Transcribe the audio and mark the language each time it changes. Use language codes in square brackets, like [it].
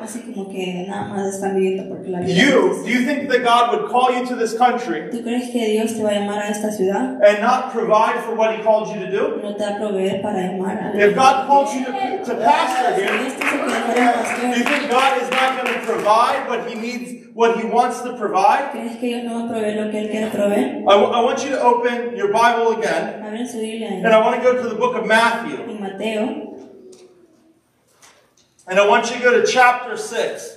[es] Así como que nada más están viviendo porque la vida. [en] Do you think that God would call you to this country? [es] ¿Tú crees que Dios te va a llamar a esta ciudad? [en] And not provide for what He called you to do? [es] No te va a proveer para llamar a. [en] If God called you to pastor here, do you think God is not going to provide what He needs, what He wants to provide? [es] ¿Crees que Dios no va a proveer lo que Él quiere proveer? [en] I want you to open your Bible again. [es] Abren su Biblia. [en] And I want to go to the book of Matthew. [es] En Mateo. [en] And I want you to go to chapter 6.